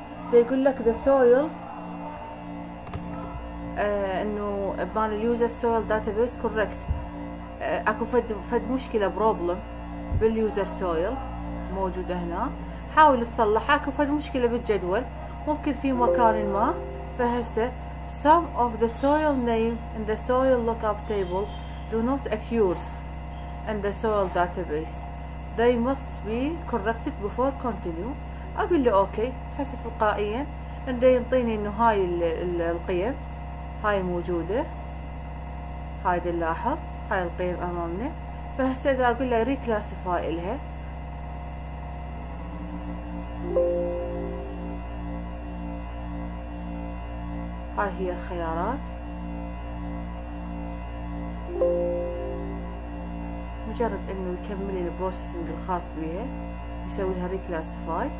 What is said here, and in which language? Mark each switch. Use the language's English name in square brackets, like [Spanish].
[Arabic] دي يقول لك ذا سويل انه بان اليوزر سويل داتابيس كوركت، اكو فد مشكله بروبلم باليوزر سويل موجودة هنا، حاول تصلحها، اكو فد مشكلة بالجدول ممكن في مكان ما. فهسه [English] some of the soil name in the soil lookup table do not occur in the soil database they must be corrected before continue. [Arabic] اقول له اوكي، هسه تلقائيا انه ينطيني انه هاي القيم هاي موجودة، هاي نلاحظ هاي القيم امامنا. فهسه اذا اقول له reclassify لها هاي هي الخيارات، مجرد انه يكمل البروسيسنج الخاص بيها يسوي لها ريكلاسيفاي.